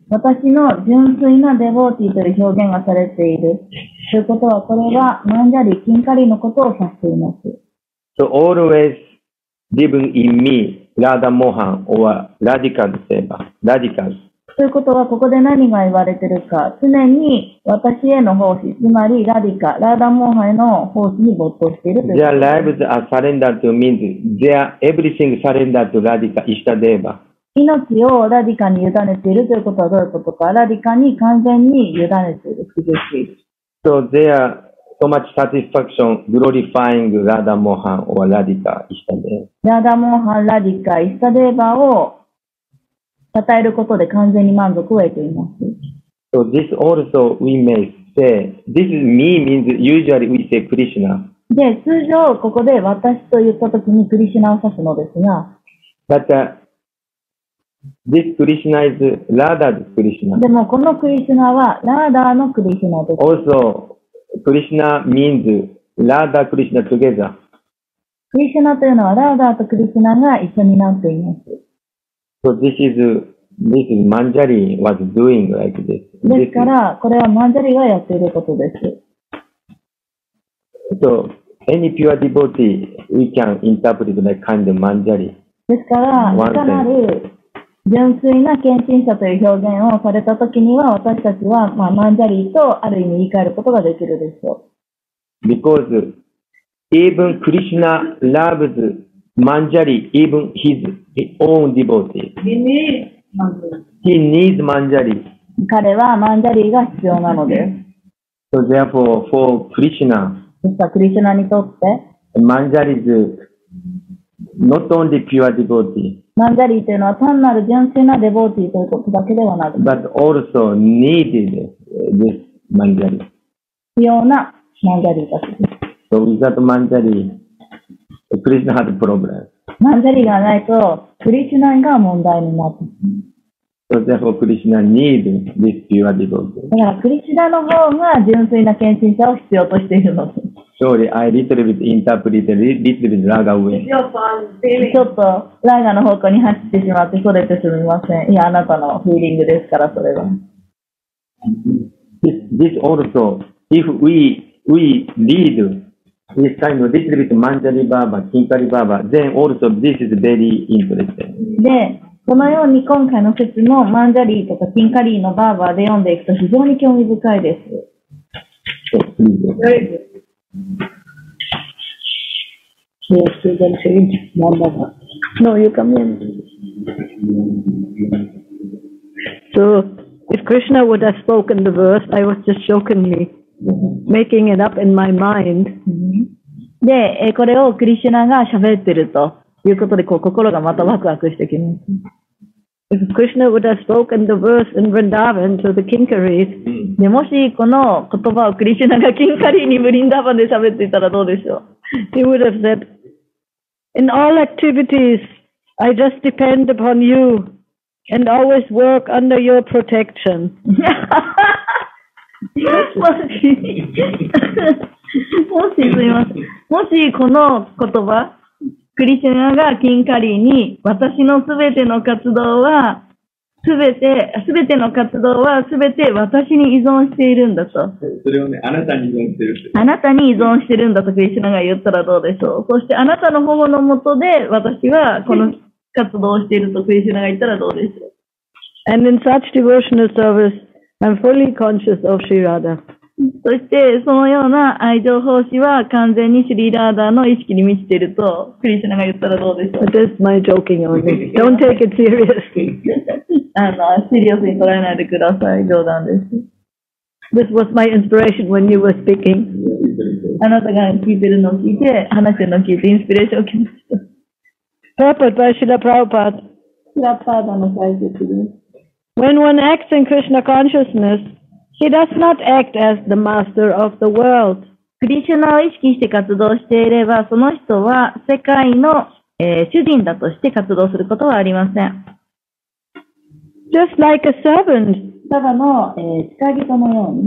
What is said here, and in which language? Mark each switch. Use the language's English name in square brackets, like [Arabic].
[Japanese] 私の純粋なデボーティーという表現がされているということは、これはマンジャリ・キンカリのことを指しています。 [English] So always living in me Radha Mohan or Radical Seva Radical [Japanese] ということは、ここで何が言われているか、常に私への奉仕、つまりラディカ、ラダモハへの奉仕に没頭しているということ。 [English] Their lives are surrendered to means they are everything surrendered to Radhika Ishtadeva。 [Japanese] 命をラディカに委ねているということはどういうことか、ラディカに完全に委ねている。 [English] So there are so much satisfaction glorifying Radha Mohan or Radhika Ishtadeva. [Japanese] ラダモハン、ラディカ、イシタデーバを称えることで完全に満足を得ています。 [English] So this also we may say, this is me means usually we say Krishna. [Japanese] で、通常ここで私と言ったときにクリシナを指すのですが、 [English] But,This Krishna is Radha's Krishna. [Japanese] でもこのクリシナはラーダーのクリシナです。 [English] Also, Krishna means Radha Krishna together. [Japanese] クリシナというのはラーダーとクリシナが一緒になっています。 [English] So this is this is Manjari was doing like this. [Japanese] ですから、これはマンジャリがやっていることです。 [English] So, any pure devotee, we can interpret that kind of Manjari. [Japanese] ですから、いかなる純粋な献身者という表現をされたときには、私たちは、まあ、マンジャリとある意味言い換えることができるでしょう。 [English] Because even Krishna loves Manjari, even his own devotee. He needs Manjari. [Japanese] 彼はマンジャリが必要なのです。 [English] So therefore, for Krishna, [Japanese] クリシュナにとって、 [English] マンジャリ is not only pure devotee. [Japanese] マンジャリというのは単なる純粋なデボーティーということだけではなく、 [English] but also needed this マンジャリ。 [Japanese] 必要なマンジャリだ [English] と。So without マンジャリ、クリシュナ has a problem. [Japanese] マンジャリがないと、クリシュナが問題になる。 [English] So therefore, Krishna needs this pure devotee. [Japanese] だから、クリシュナの方が純粋な献身者を必要としているの。 [English] Sorry, I little bit interpreted, little bit raga way. [Japanese] ちょっと、ラガの方向に走ってしまって、それってすみません。いや、あなたのフィーリングですから、それは。 [English] This also, if we read this kind of little bit Manjari Baba, Kinkari Baba, then also this is very interesting. [Japanese] で、このように今回の説もマンジャリーとかキンカリーのバーバーで読んでいくと非常に興味深いです。 [English] No, you come in. So, if Krishna would have spoken the verse, I was just jokingly making it up in my mind. [Japanese] で、これをクリシュナが喋ってるということで、こう心がまたワクワクしてきます。 [English] If Krishna would have spoken the verse in Vrindavan to the Kinkaris, [Japanese] でもしこの言葉をクリシュナがキンカリーにブリンダーバンで喋っていたらどうでしょう? [English] He would have said, In all activities, I just depend upon you and always work under your protection. [Japanese] もしこの言葉クリシュナがキンカリーに私のすべての活動はすべての活動はすべて私に依存しているんだと。それをね、あなたに依存してるって。あなたに依存してるんだとクリシュナが言ったらどうでしょう。そしてあなたの保護のもとで私はこの活動をしているとクリシュナが言ったらどうでしょう。 [English] And in such devotional service, I'm fully conscious of Sri Radha. [Japanese] そしてそのような愛情奉仕は完全にシュリーラーダーの意識に満ちているとクリシュナが言ったらどうでしょう [English] That's my joking only. Don't take it seriously. [Japanese] シリアスに捉えないでください。冗談です。 [English] This was my inspiration when you were speaking. [Japanese] あなたが聞いてるのを聞いて、話してるのを聞いてインスピレーションを受けました。 [English] Purport by Srila Prabhupada. [Japanese] Srila Prabhupada の解説です。 [English] When one acts in Krishna consciousness,He does not act as the master of the world. [Japanese] クリシュナを意識して活動していれば、その人は世界の、主人だとして活動することはありません。 [English] Just like a servant, [Japanese] ただの、仕上げとのように、